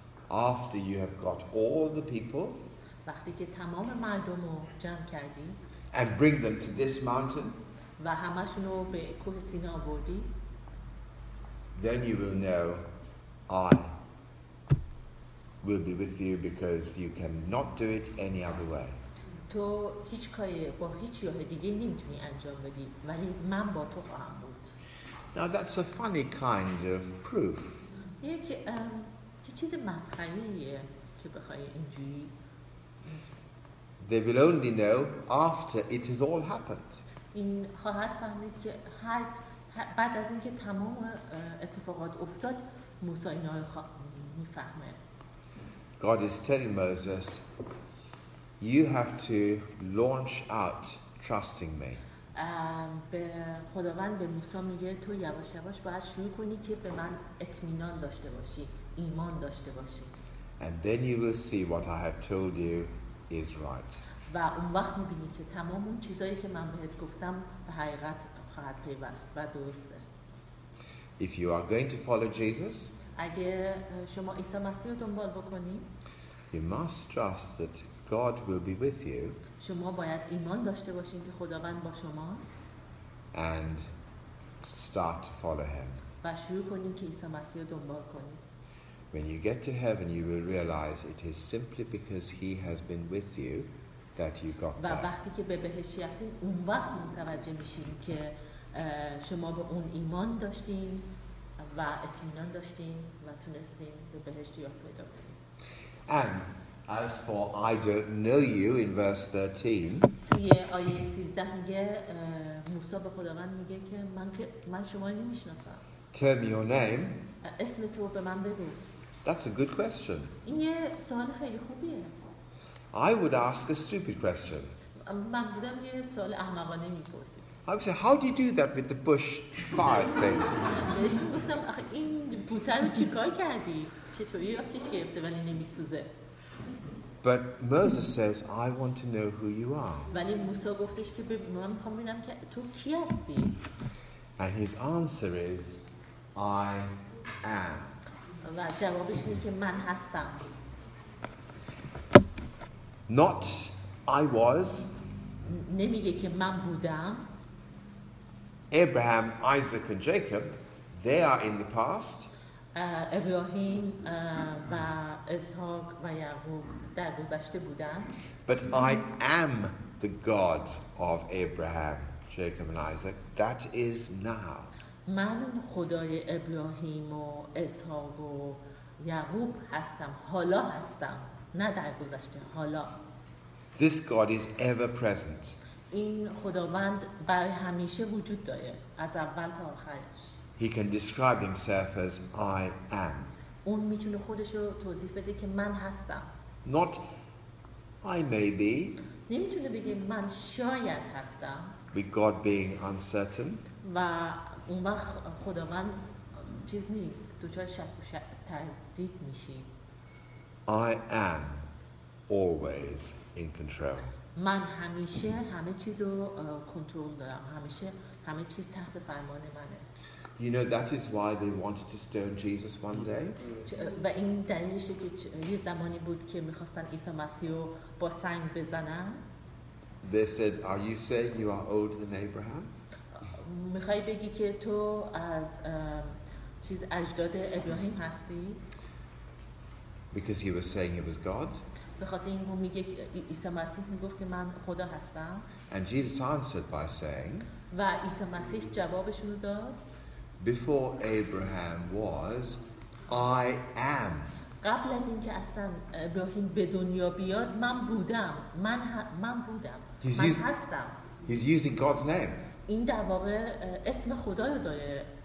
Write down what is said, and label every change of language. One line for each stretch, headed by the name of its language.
English: After you have got all the people.
Persian: وقتی که تمام مردم رو جمع کردی.
English: And bring them to this mountain.
Persian: و همشون رو به کوه سینا بردی.
English: Then you will know I will be with you because you cannot do it any other way.
Persian: تو هیچ کاری با هیچ راه دیگه نمیتونی انجام بدی ولی من با تو خواهم بود.
English: Now that's a funny kind of proof.
Persian: یک چیز مسخره‌ایه که بخوای اینجوری.
English: They will only know after it has all happened.
Persian: این خواهد فهمید که بعد از اینکه تمام اتفاقات افتاد موسی اینا رو میفهمه.
English: God is telling Moses, you have to launch out trusting me.
Persian: به خداوند به موسی میگه تو یواش یواش باید شروع کنی که به من اطمینان داشته باشی، ایمان داشته باشی.
English: And then you will see what I have told you is right.
Persian: و اون وقت میبینی که تمام اون چیزایی که من بهت گفتم به حقیقت خواهد پیوست و درسته.
English: If you are going to follow Jesus,
Persian: اگه شما عیسی مسیح رو دنبال بکنی,
English: you must trust that God will be with you.
Persian: شما باید ایمان داشته باشین که خداوند با شماست.
English: And start to follow him.
Persian: و شروع کنین که عیسی مسیح رو دنبال کنین.
English: When you get to heaven, you will realize it is simply because he has been with you that you got there.
Persian: و وقتی که به بهشت رفتین، اون وقت متوجه میشین که شما به اون ایمان داشتین و اطمینان داشتین و تونستین به بهشت راه پیدا کنین.
English: And as for I don't know you in verse 13.
Persian: توی آیه 13 میگه موسی به خداوند میگه که من شما رو نمیشناسم.
English: Tell me your name.
Persian: اسم تو به من بگو.
English: That's a good question.
Persian: این یه سوال خیلی خوبیه.
English: I would ask a stupid question.
Persian: من بودم یه سوال احمقانه میپرسیدم.
English: I would say, how do you do that with the bush fire thing?
Persian: بهش میگفتم آخه این بوته رو چیکار کردی؟ چطوری رفتی چی گرفته ولی نمیسوزه؟
English: But Moses says, I want to know who you are.
Persian: ولی موسی گفتش که من میخوام ببینم که تو کی هستی.
English: And his answer is, I am.
Persian: و جوابش اینه که من هستم.
English: Not I was.
Persian: نمیگه که من بودم.
English: Abraham, Isaac and Jacob, they are in the past.
Persian: ابراهیم و اسحاق و یعقوب در گذشته بودند.
English: But I am the God of Abraham, Jacob and Isaac. That is now.
Persian: من خدای ابراهیم و اسحاق و یعقوب هستم. حالا هستم. نه در گذشته حالا.
English: This God is ever present.
Persian: این خداوند برای همیشه وجود داره از اول تا آخرش.
English: He can describe himself as I am.
Persian: اون میتونه خودش رو توضیح بده که من هستم.
English: Not I may be.
Persian: نمیتونه بگه من شاید هستم.
English: With God being uncertain.
Persian: و اون وقت خداوند چیز نیست. دوچار شک و تردید میشی.
English: I am always in control.
Persian: من همیشه همه چیز رو کنترل دارم. همیشه همه چیز تحت فرمان منه.
English: You know, that is why they wanted to stone Jesus one day.
Persian: و این دلیلشه که یه زمانی بود که میخواستن عیسی مسیح رو با سنگ بزنن.
English: They said, are you saying you are older than Abraham?
Persian: میخوای بگی که تو از چیز اجداد ابراهیم هستی؟
English: Because he was saying he was God.
Persian: بخاطر این میگه عیسی مسیح میگفت که من خدا هستم.
English: And Jesus answered by saying.
Persian: و عیسی مسیح جوابشونو داد.
English: Before Abraham was, I am.
Persian: قبل از اینکه اصلا ابراهیم به دنیا بیاد من بودم. من بودم. من هستم.
English: He's using God's name.
Persian: این در واقع اسم خدا رو داره.